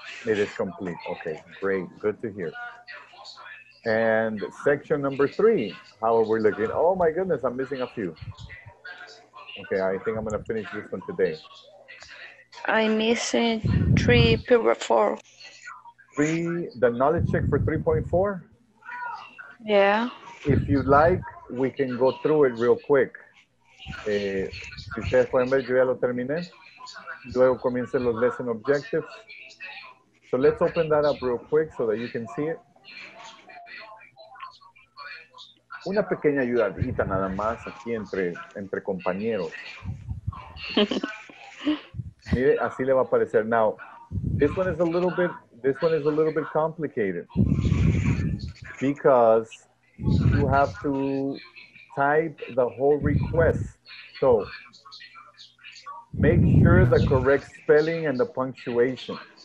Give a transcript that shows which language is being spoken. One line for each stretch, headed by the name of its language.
English: It is complete. Okay. Great. Good to hear. And section number 3. How are we looking? Oh my goodness. I'm missing a few. Okay. I think I'm going to finish this one today. I'm missing 3, paragraph 4. The knowledge check for 3.4? Yeah. If you like, we can go through it real quick.
Spanish: Si ustedes pueden ver, yo ya lo terminé. Luego comiencen los
English: lesson objectives. So let's open that up real quick so that you can see it.
Spanish: Una pequeña ayudadita nada más aquí entre compañeros. Mire, así le va a aparecer.
English: Now, this one is a little bit complicated because you have to type the whole request. So make sure the correct spelling and the punctuation.